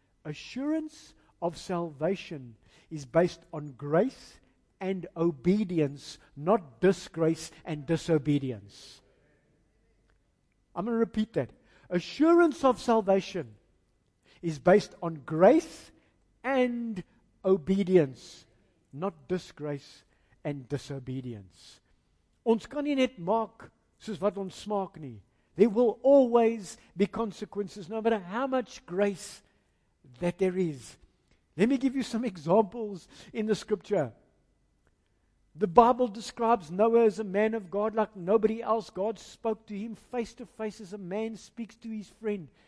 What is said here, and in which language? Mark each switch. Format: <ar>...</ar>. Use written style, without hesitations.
<en>Assurance of salvation is based on grace and obedience, not disgrace and disobedience. I'm going to repeat that. Assurance of salvation is based on grace and obedience, not disgrace and disobedience.</en> <af>Ons kan nie net maak soos wat ons smaak nie.</af> <en>There will always be consequences, no matter how much grace that there is. Let me give you some examples in the scripture. The Bible describes Noah as a man of God like nobody else. God spoke to him face to face as a man speaks to his friend.</en>